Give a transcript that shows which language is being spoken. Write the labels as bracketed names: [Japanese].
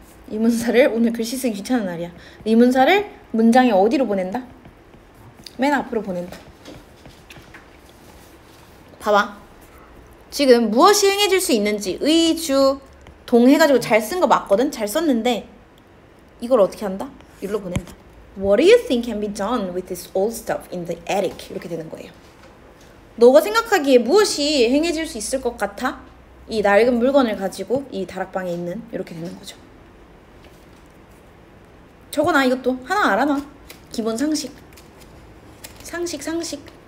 [Korean] 의문사를 오늘 글씨 쓰기 귀찮은 날이야. 의문사를 문장의 어디로 보낸다? 맨 앞으로 보낸다. 봐봐. 지금 무엇이 행해질 수 있는지 의주 동해가지고 잘 쓴 거 맞거든? 잘 썼는데 이걸 어떻게 한다? 이리로 보낸다. [English] What do you think can be done with this old stuff in the attic? [Korean] 이렇게 되는 거예요. 너가 생각하기에 무엇이 행해질 수 있을 것 같아? 이 낡은 물건을 가지고 이 다락방에 있는, 이렇게 되는 거죠. 적어놔 이것도. 하나 알아놔. 기본 상식. 상식 상식.